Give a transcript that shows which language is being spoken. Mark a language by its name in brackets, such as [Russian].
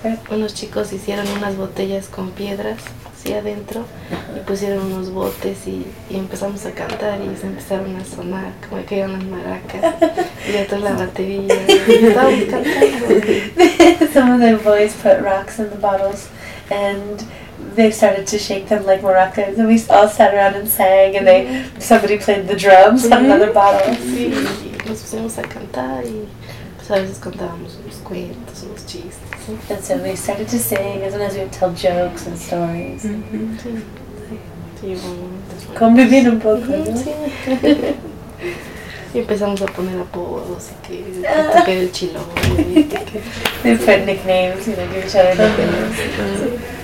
[Spanish] unos chicos hicieron unas botellas con piedras así adentro y pusieron unos botes y empezamos a cantar y se empezaron a sonar como que eran las maracas y otra la batería y estábamos cantando. [English] Some of the boys put rocks in the bottles and they started to shake them like maracas, and we all sat around and sang, and somebody played the drums on another bottle. [Spanish] Sí, nos pusimos a cantar y pues a veces contábamos unos cuentos, unos chistes. [English] And so we started to sing, and sometimes we would tell jokes and stories. [Spanish] Convivir un poco, ¿no? Sí. Y empezamos a poner apodos y que toque el chilo. [English] They put nicknames, you know, give each other nicknames.